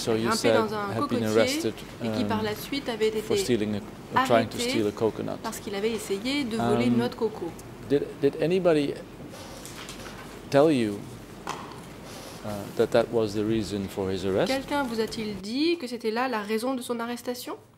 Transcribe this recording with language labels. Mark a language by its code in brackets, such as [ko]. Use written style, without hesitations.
[en] so you said, had been arrested for stealing or trying to steal a coconut. [fr] Parce qu'il avait essayé de voler une noix de coco. [en] Did anybody tell you that was the reason for his arrest? [fr] Quelqu'un vous a-t-il dit que c'était là la raison de son arrestation?